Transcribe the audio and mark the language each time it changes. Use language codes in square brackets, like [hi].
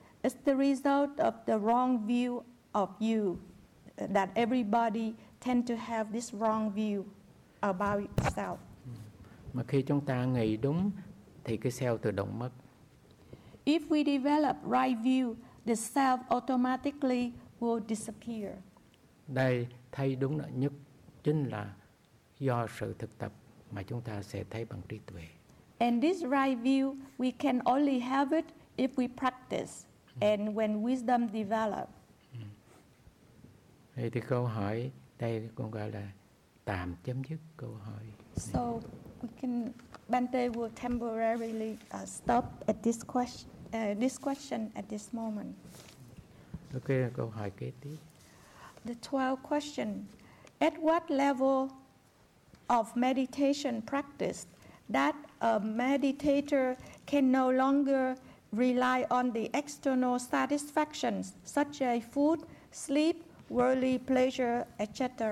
[en] It's the result of the wrong view of you, that everybody tend to have this wrong view about self. [vi] Mà khi chúng ta nghĩ đúng thì cái self tự động mất. [en] If we develop right view, the self automatically will disappear. [vi] Đây thấy đúng nhất chính là do sự thực tập mà chúng ta sẽ thấy bằng trí tuệ. [en] And this right view we can only have it if we practice and when wisdom develop. [vi] Thì câu hỏi đây cũng gọi là tạm chấm dứt câu hỏi. [en] So we can, Bhante will temporarily stop at this question. This question at this moment. [vi] Okay, câu hỏi kế tiếp. [en] The 12th question: at what level of meditation practice that a meditator can no longer rely on the external satisfactions such as food, sleep, worldly pleasure, etc.